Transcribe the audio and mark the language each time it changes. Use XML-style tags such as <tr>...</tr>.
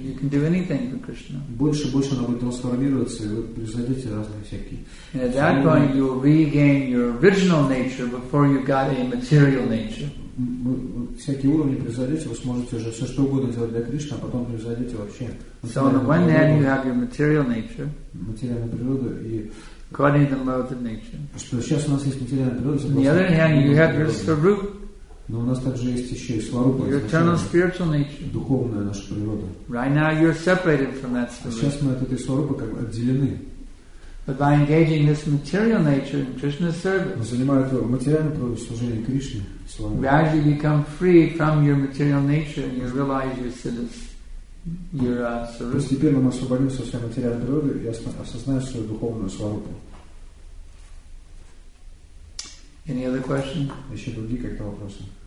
<en>You can do anything for Krishna. And at that point, you will regain your original nature before you got a material nature.</en> <ru>Всякие уровни превзойдете, вы сможете уже все что угодно делать для Кришны, а потом превзойдете вообще.</ru> <en>So on the one hand you have your material nature.</en> <ru>Материальную природу и</ru> <en>according to the mode of nature.</en> <ru>Что сейчас у нас есть материальная природа.</ru> <en>On the other hand you have your svarup.</en> <ru>Но у нас также есть еще и сварупа.</ru> <en>Your eternal spiritual nature.</en> <ru>Духовная наша природа.</ru> <en>Right now you're separated from that svarup.</en> <ru>Сейчас мы от этой сварупы как бы отделены.</ru> <en>But by engaging this material nature in Krishna's service,</en> <ru>занимая эту материальную природу служения Кришне,</ru> <en>gradually become free from your material nature and you realize your siddhas, your svarupa.</en> <ru>Постепенно мы освободимся от своей материальной природы и осознаем свою духовную сварупу.</ru> <en>Any other question?</en> <ru>Еще другие какие-то вопросы?</ru>